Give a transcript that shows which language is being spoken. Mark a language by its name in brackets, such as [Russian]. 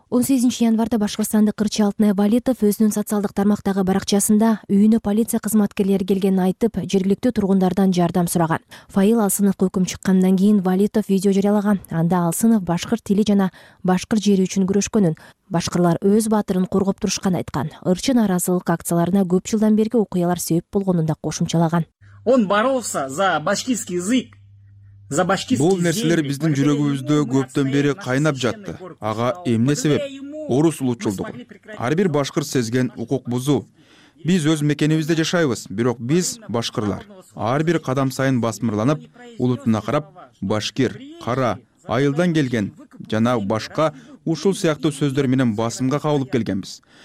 [Kyrgyz] 18 январда башкырстандык Кырчы Алтынай Валитов өзүнүн социалдык тармактагы баракчасында үйүнө полиция кызматкерлери келгенин айтып, жергиликтүү тургундардан жардам сураган. Фаил Алсыновко өкүм чыккандан кийин Валитов видео жарыялаган. Анда Алсынов башкыр тили жана башкыр жери үчүн күрөшкөнүн, башкырлар өз баатырын коргоп турушканын айткан. Ырчы нааразылык акцияларына көп жылдан берги окуялар себеп болгонун да кошумчалаган. [Russian] Он боролся за башкирский язык. [Kyrgyz] Бул нерселер биздин жүрөгүбүздө көптөн бери кайнап жатты. Ага эмне себеп? орус улутчулдугу. Ар бир башкыр сезген укук бузуу. Биз өз мекенибизде жашайбыз, бирок биз башкырлар. Ар бир кадам сайын басмырланып, улутуна карап, башкир, кара, айылдан келген жана башка ушул сыяктуу сөздөр менен басымга кабылып келгенбиз.